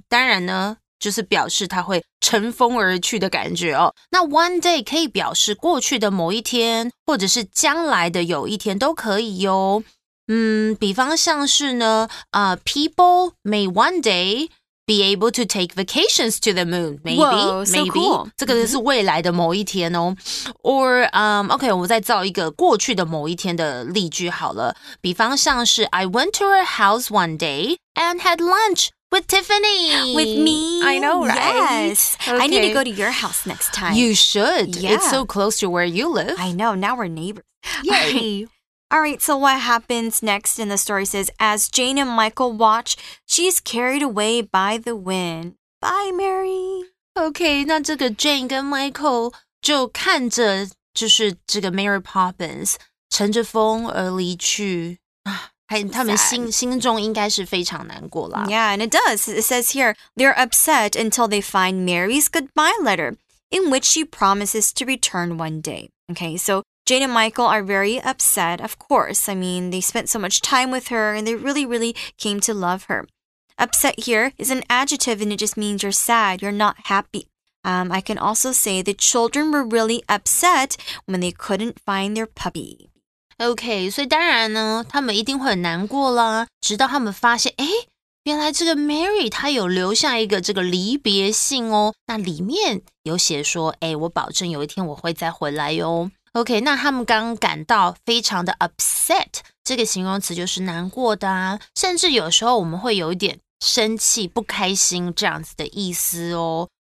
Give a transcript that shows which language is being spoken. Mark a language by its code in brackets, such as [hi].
[zh] 当然呢，就是表示她会乘风而去的感觉哦。那 one day 可以表示过去的某一天，或者是将来的有一天都可以哦。 [en] 比方像是呢， people may one day be able to take vacations to the moon. Maybe. [zh] 这个是未来的某一天哦。 Okay, 我再造一个过去的某一天的例句好了。 [en] 比方像是 I went to her house one day and had lunch. With Tiffany. With me. I know, right? Yes. Okay. I need to go to your house next time. You should. Yeah. It's so close to where you live. I know. Now we're neighbors. Yay. All right. So what happens next in the story says, as Jane and Michael watch, she's carried away by the wind. Bye, Mary. [zh] Okay. 那这个 Jane 跟 Michael 就看着就是这个 Mary Poppins 乘着风而离去。他们 心中应该是非常难过啦。 [en] Yeah, and it does. It says here, they're upset until they find Mary's goodbye letter, in which she promises to return one day. Okay, so Jane and Michael are very upset, of course. I mean, they spent so much time with her, and they really, really came to love her. Upset here is an adjective, and it just means you're sad, you're not happy. I can also say the children were really upset when they couldn't find their puppy. [zh] OK, 所以当然呢，他们一定会很难过啦，直到他们发现，诶，原来这个 Mary 她有留下一个这个离别信哦，那里面有写说，诶，我保证有一天我会再回来哟。 OK, 那他们刚感到非常的 upset, 这个形容词就是难过的啊，甚至有时候我们会有一点生气、不开心这样子的意思哦。